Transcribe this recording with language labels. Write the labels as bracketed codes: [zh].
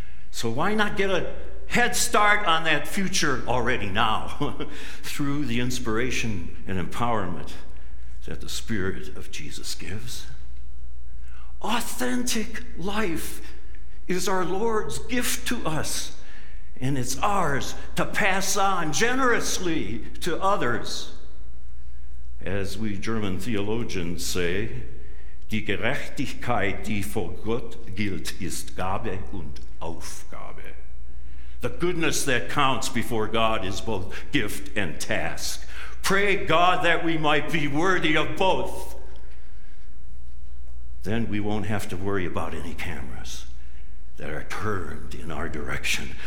[en] So why not get a head start on that future already now through the inspiration and empowerment that the Spirit of Jesus gives? Authentic life is our Lord's gift to us, and it's ours to pass on generously to others. As we German theologians say, [de] die Gerechtigkeit, die vor Gott gilt, ist Gabe und Aufgabe. [en] The goodness that counts before God is both gift and task. Pray God that we might be worthy of both. Then we won't have to worry about any cameras that are turned in our direction.